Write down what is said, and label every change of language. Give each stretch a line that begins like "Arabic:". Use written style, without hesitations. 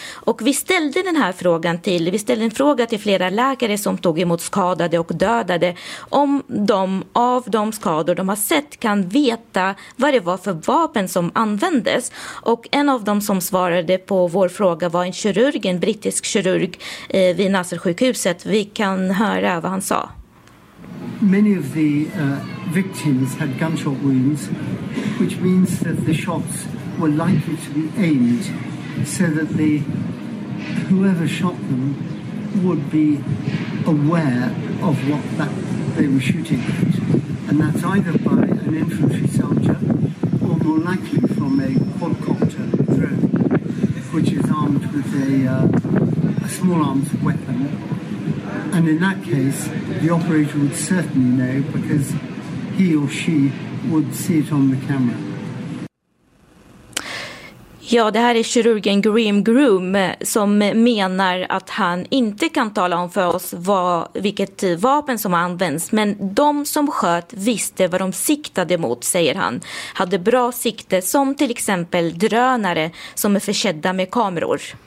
Swedish: Och vi ställde en fråga till flera läkare som tog emot skadade och dödade, om de av de skador de har sett kan veta vad det var för vapen som användes. Och en av dem som svarade på vår fråga var en brittisk kirurg vid Nasser sjukhuset. Vi kan höra vad han sa.
English: Many of the victims had gunshot wounds, which means that the shots were likely to be aimed so that whoever shot them would be aware of what that they were shooting at. And that's either by an infantry soldier or more likely from a quadcopter drone, which is armed with a small arms weapon. And in that case, the operator would certainly know because he or she would see it on the camera.
Swedish: Ja, det här är kirurgen Graham Groom som menar att han inte kan tala om för oss vilket vapen som används. Men de som sköt visste vad de siktade mot, säger han. Hade bra sikte, som till exempel drönare som är försedda med kameror.